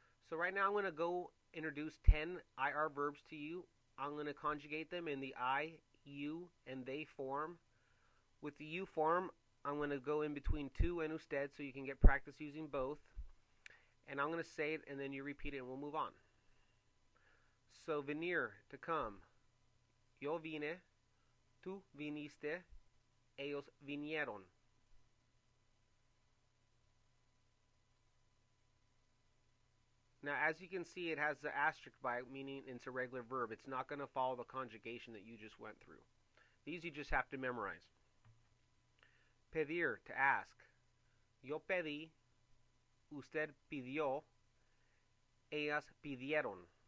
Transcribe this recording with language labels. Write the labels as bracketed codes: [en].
[en] So right now, I'm going to go introduce 10 IR verbs to you. I'm going to conjugate them in the I, you, and they form. With the you form, I'm going to go in between tú and usted so you can get practice using both. And I'm going to say it, and then you repeat it, and we'll move on. So, venir, to come. [es] Yo vine, tú viniste, ellos vinieron. [en] Now, as you can see, it has the asterisk by it, meaning it's a regular verb. It's not going to follow the conjugation that you just went through. These you just have to memorize. Pedir, to ask. [es] Yo pedí, usted pidió, ellas pidieron.